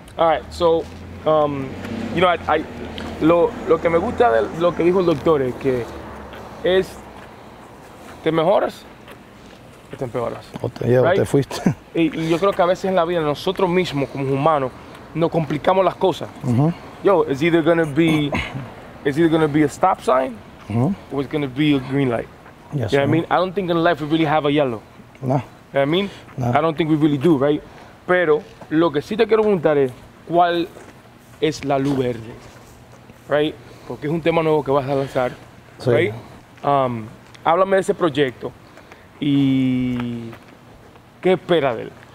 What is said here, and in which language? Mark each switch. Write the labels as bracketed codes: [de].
[en] All right, so, [es] lo que me gusta de lo que dijo el doctor es que es, te mejoras, te empeoras. O te llevas, [en] right? [es] Te fuiste. Y yo creo que a veces en la vida nosotros mismos como humanos nos complicamos las cosas. Uh-huh. [en] Yo, it's either gonna be a stop sign, uh-huh, or it's gonna be a green light. Yes, you know what I mean? I don't think in life we really have a yellow. No. You know what I mean? No. I don't think we really do, right? [es] Pero lo que sí te quiero preguntar es, ¿cuál es la luz verde? [en] Right? [es] Porque es un tema nuevo que vas a lanzar. Sí. [en] Right? [es] Háblame de ese proyecto. ¿Y qué espera de él?